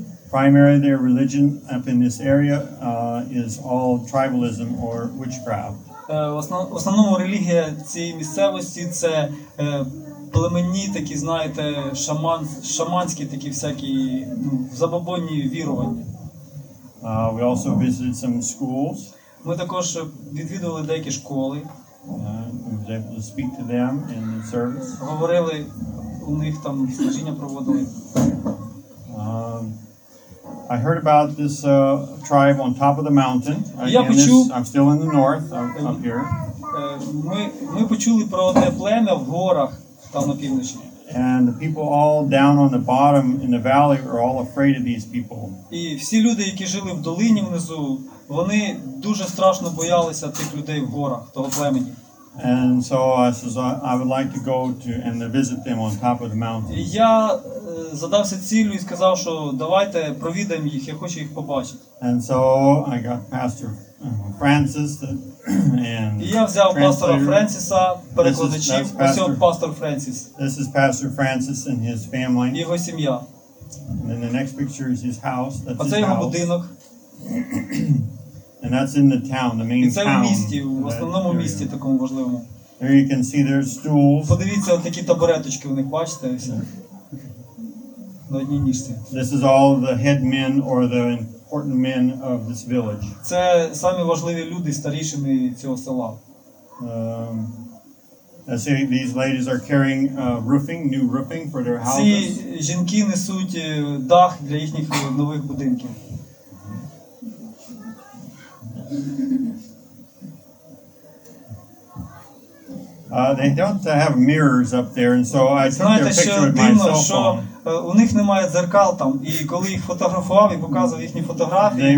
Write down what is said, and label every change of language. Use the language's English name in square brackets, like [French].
[English] Primarily, their religion up in this area is all tribalism or witchcraft. [Ukrainian] Основному релігія цієї місцевості це племенні такі, знаєте, шаманські такі всякі забобонні вірування. [English] We also visited some schools. [Ukrainian] Ми також відвідували деякі школи. [English] We were able to speak to them in the service. [Ukrainian] Говорили у них там служіння проводили. [English] I heard about this tribe on top of the mountain. I'm still in the north, up here. [Ukrainian] Ми почули про те племя в горах там на півночі. [English] And the people all down on the bottom in the valley are all afraid of these people. [Ukrainian] І всі люди, які жили в долині внизу, вони дуже страшно боялися тих людей в горах, того племені. [English] And so I says I would like to go to and to visit them on top of the mountain. [Ukrainian] Я задався ціллю і сказав, що давайте провідаємо їх, я хочу їх побачити. [English] And so I got Pastor Francis and [Ukrainian] я взяв пастора Франциса, перекладачів, усього пастор Франсис. [English] This is Pastor Francis and his family. [Ukrainian] Його сім'я. [English] And then the next picture is his house. [Ukrainian] А це його будинок. [English] And that's in the town, the main town. [Ukrainian] І це в місті, в основному місті такому важливому. [English] There you can see their stools. [Ukrainian] Подивіться, от такі табуреточки у них, бачите? На одній ніжці. [English] This is all the head men or the important men of this village. [Ukrainian] Це самі важливі люди, старішини цього села. [English] I see these ladies are carrying roofing, new roofing for their houses. [Ukrainian] Ці жінки несуть дах для їхніх нових будинків. [English] They don't have mirrors up there, and so I took [Ukrainian] Знаєте, [English] their picture [Ukrainian] дивно, [English] with my cell phone. [Ukrainian] Що, у них немає дзеркал там, і коли їх фотографував і показував їхні фотографії,